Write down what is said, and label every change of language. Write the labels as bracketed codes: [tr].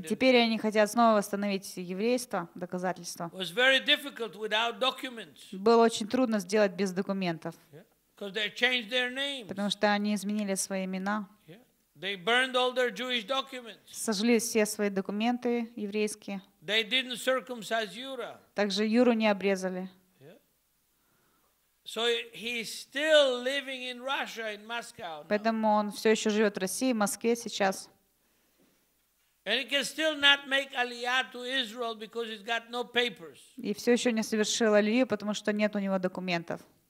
[ru] И теперь они хотят снова восстановить еврейство, доказательство. [en] It was very difficult without documents. [ru] Было очень трудно сделать без документов. [en] Yeah. 'Cause they changed their names. [ru] Потому что они изменили свои имена. [en] Yeah. They burned all their Jewish documents. [ru] Сожгли все свои документы еврейские. [en] They didn't circumcise Yura. [ru] Также Юру не обрезали. [en] So he's still living in Russia, in Moscow. [ru] Поэтому он все еще живет в России, в Москве сейчас. [en] And he can still not make aliyah to Israel because he's got no papers. [ru] И все еще не совершил алию, потому что нет у него документов.